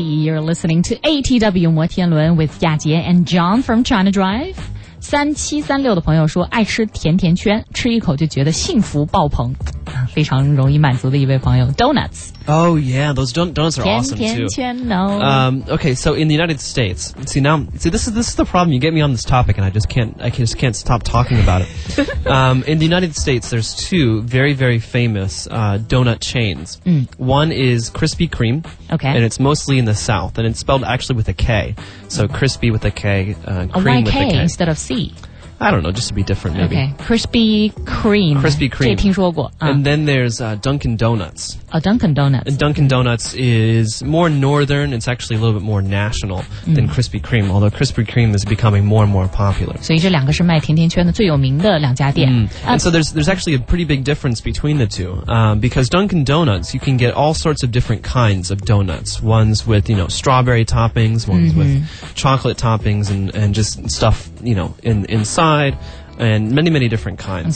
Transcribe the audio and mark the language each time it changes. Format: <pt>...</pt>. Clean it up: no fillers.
<en>You're listening to ATW 摩天轮 with 亚杰 and John from China Drive.</en> <zh>3736的朋友说爱吃甜甜圈，吃一口就觉得幸福爆棚，非常容易满足的一位朋友 Donuts.</zh> <en>Oh yeah, those donuts are awesome too.</en> <zh>甜甜圈 no.</zh> <en>Okay, so in the United States, this is the problem. You get me on this topic and I just can't stop talking about it. In the United States, there's two very, very famous donut chains. Mm. One is Krispy Kreme. Okay. And it's mostly in the South. And it's spelled actually with a K. So Krispy with a K, Kreme with a K. Why K instead of C? I don't know, just to be different maybe. Okay. Krispy Kreme. Krispy Kreme.</en> <zh>这听说过。</zh> <en>And then there's Dunkin' Donuts. Oh, Dunkin' Donuts. And Dunkin' Donuts is more northern. It's actually a little bit more national than Krispy Kreme, although Krispy Kreme is becoming more and more popular.</en> <zh>所以这两个是卖甜甜圈的最有名的两家店。</zh> <en>And so there's actually a pretty big difference between the two, because Dunkin' Donuts, you can get all sorts of different kinds of donuts, ones with, you know, strawberry toppings, ones with chocolate toppings, and just stuff, you know, inside, and many, many different kinds.</en>